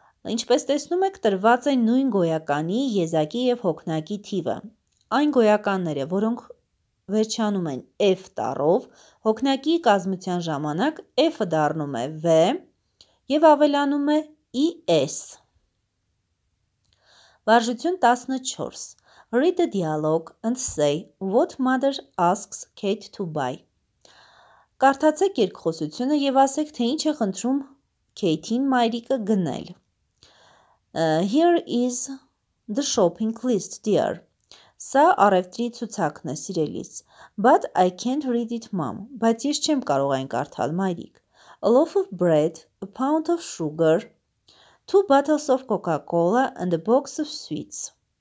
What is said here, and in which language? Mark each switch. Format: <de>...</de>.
<hy>Ինչպես տեսնում եք, տրված են նույն գոյականի, եզակի եւ հոգնակի թիվը։ Այն գոյականները, որոնք վերջանում են F տառով, հոգնակի կազմության ժամանակ F-ը դառնում է V եւ ավելանում է ES։ Վարժություն 14.</hy> <en>Read the dialogue and say what mother asks Kate to buy.</en> <hy>Կարդացեք երկխոսությունը եւ ասեք, թե ինչ է խնդրում Kate-ին մայրիկը գնել։</hy> <en>Here is the shopping list, dear.</en> <hy>Սա առևտրի ցուցակն է, սիրելիս.</hy> <en>But I can't read it, mom.</en> <hy>Բայց ես չեմ կարող այն կարդալ, մայրիկ.</hy> <en>A loaf of bread, a pound of sugar, two bottles of Coca-Cola and a box of sweets.</en>